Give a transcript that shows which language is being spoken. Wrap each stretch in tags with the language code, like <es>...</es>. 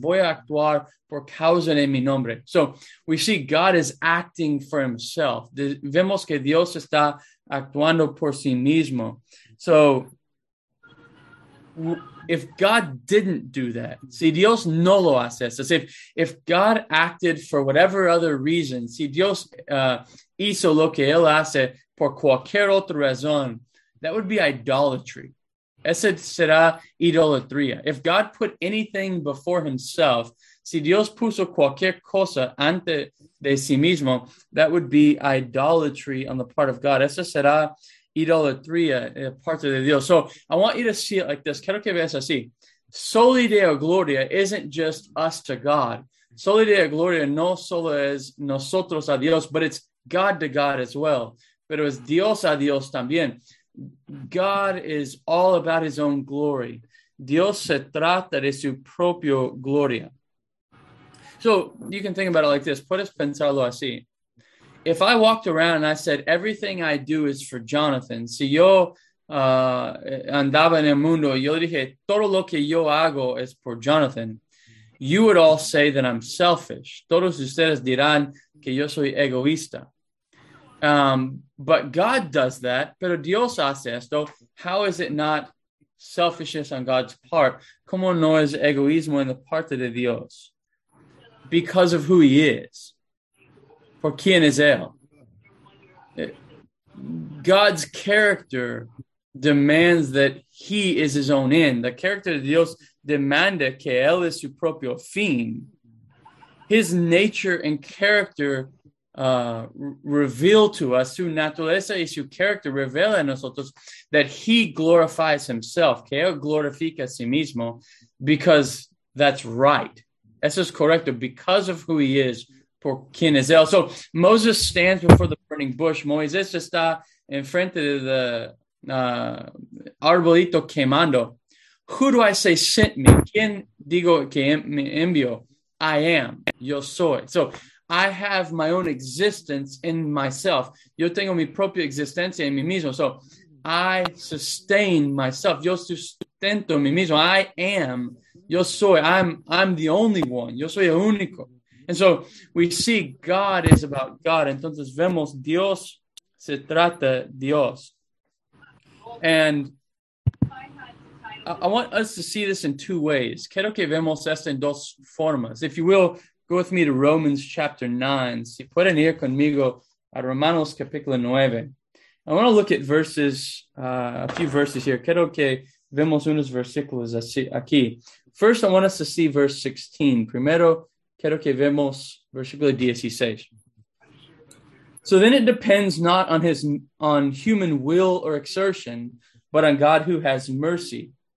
<es>Voy a actuar por causa de mi nombre.</es> <en>So we see God is acting for himself.</en> <es>Vemos que Dios está actuando por sí mismo.</es> <en>So if God didn't do that,</en> <es>si Dios no lo hace,</es> <en>so if God acted for whatever other reason,</en> <es>si Dios hizo lo que él hace por cualquier otra razón,</es> <en>that would be idolatry.</en> <es>Esa será idolatría.</es> <en>If God put anything before himself,</en> <es>si Dios puso cualquier cosa antes de sí mismo,</es> <en>that would be idolatry on the part of God.</en> <es>Esa será idolatría, parte de Dios.</es> <en>So I want you to see it like this.</en> <es>Quiero que veas así.</es> <en>Soli Deo Gloria isn't just us to God.</en> <es>Soli Deo Gloria no solo es nosotros a Dios,</es> <en>but it's God to God as well.</en> <es>Pero es Dios a Dios también.</es> <en>God is all about his own glory.</en> <es>Dios se trata de su propio gloria.</es> <en>So you can think about it like this.</en> <es>Puedes pensarlo así.</es> <en>If I walked around and I said, everything I do is for Jonathan.</en> <es>Si yo andaba en el mundo, yo dije, todo lo que yo hago es por Jonathan.</es> <en>You would all say that I'm selfish.</en> <es>Todos ustedes dirán que yo soy egoísta.</es> <en>But God does that.</en> <es>Pero Dios hace esto.</es> <en>How is it not selfishness on God's part?</en> <es>¿Cómo no es egoísmo en la parte de Dios?</es> <en>Because of who he is.</en> <es>Por quién es él.</es> <en>God's character demands that he is his own end.</en> <es>The character de Dios demanda que él es su propio fin.</es> <en>His nature and character reveal to us,</en> <es>su naturaleza y su character revela a nosotros</es> <en>that he glorifies himself,</en> <es>que él glorifica a sí mismo,</es> <en>because that's right.</en> <es>Eso es correcto,</es> <en>because of who he is.</en> <es>For quien es él.</es> <en>So Moses stands before the burning bush.</en> <es>Moisés está en frente de the arbolito quemando.</es> <en>Who do I say sent me?</en> <es>¿Quién digo que me envió?</es> <en>I am.</en> <es>Yo soy.</es> <en>So I have my own existence in myself.</en> <es>Yo tengo mi propia existencia en mí mismo.</es> <en>So I sustain myself.</en> <es>Yo sustento mí mismo.</es> <en>I am.</en> <es>Yo soy.</es> <en>I'm the only one.</en> <es>Yo soy el único.</es> <en>And so we see God is about God.</en> <es>Entonces vemos Dios se trata Dios.</es> <en>And I want us to see this in two ways.</en> <es>Quiero que vemos esto en dos formas.</es> <en>If you will, go with me to Romans chapter 9.</en> <es>Si pueden ir conmigo a Romanos capítulo 9.</es> <en>I want to look at verses, a few verses here.</en> <es>Quiero que vemos unos versículos aquí.</es> <en>First, I want us to see verse 16.</en> <es>Primero, quiero que vemos versículo 16.</es> <en>So then it depends not on human will or exertion, but on God who has mercy.</en>